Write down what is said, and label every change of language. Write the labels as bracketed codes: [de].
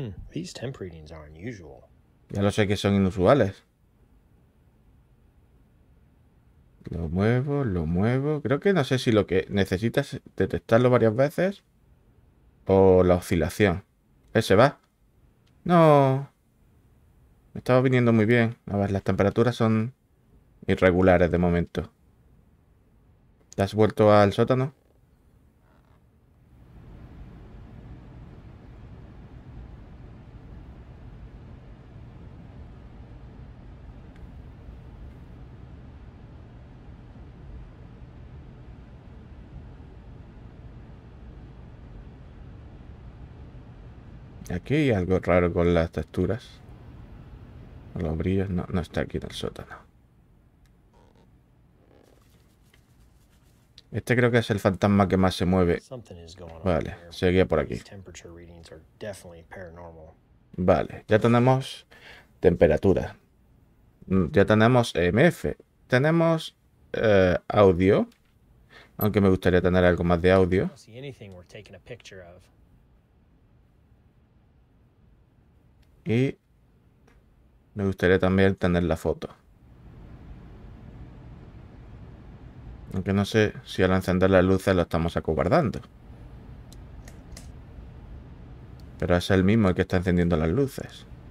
[en] These temp readings are unusual. [es] Ya lo sé que son inusuales. Lo muevo, creo que no sé si lo que necesitas es detectarlo varias veces o la oscilación. Se va. No. Me estaba viniendo muy bien. A ver, las temperaturas son irregulares de momento. ¿Te has vuelto al sótano? Aquí hay algo raro con las texturas. Los brillos no, no está aquí en el sótano. Este creo que es el fantasma que más se mueve. [en] Something is going on [es] Vale, [en] here. [es] seguía por aquí. [en] These temperature readings are definitely paranormal. [es] Vale, ya tenemos temperatura. Ya tenemos EMF. Tenemos audio. Aunque me gustaría tener algo más de audio. [en] Don't see anything we're taking a picture of. [es] Y me gustaría también tener la foto. Aunque no sé si al encender las luces lo estamos acobardando. Pero es el mismo el que está encendiendo las luces.